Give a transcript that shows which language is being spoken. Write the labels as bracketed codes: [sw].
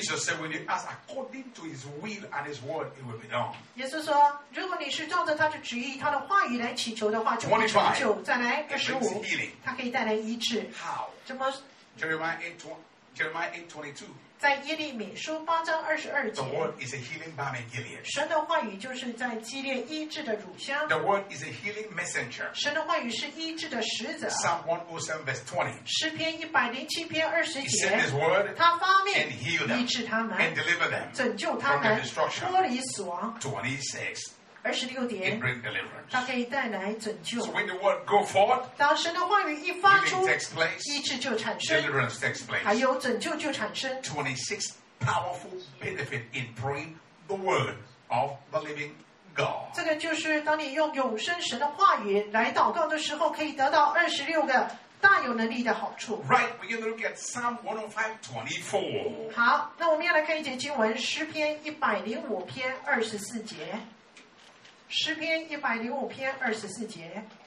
[en] Jesus said, "When you ask according to His will and His word, it will be done." [zh] 耶稣说，如果你是照着他的旨意、他的话语来祈求的话，就会成就。再来二十五，他可以带来医治。 [en] How? [zh] 怎么 [en] ？Jeremiah 8:22. [zh] 在耶利米书八章二十二节。 [en] The word is a healing balm in Gilead. [zh] 神的话语就是在基列医治的乳香。 [en] The word is a healing messenger. [zh] 神的话语是医治的使者。 [en] Psalm 107:20. [zh] 诗篇一百零七篇二十节。 [en] He sent His word. [zh] 他发命。 [en] And healed them. [zh] 医治他们。 [en] And delivered them. [zh] 拯救他们。 [en] From the destruction. [zh] 脱离死亡。 [en] 26. [zh] 二十六点。 [en] It brings deliverance. [zh] 它可以带来拯救。 [en] So when the word go forth. [zh] 当神的话语一发出。 [en] Healing takes place. [zh] 医治就产生。 [en] Deliverance takes place. [zh] 还有拯救就产生。 [en] 26. Powerful benefit in praying the word of the living God. [zh] 这个就是当你用永生神的话语来祷告的时候，可以得到二十六个大有能力的好处。 [en] Right, we're going to look at Psalm 105:24. [zh] 好，那我们要来看一节经文，诗篇一百零五篇二十四节。诗篇一百零五篇二十四节。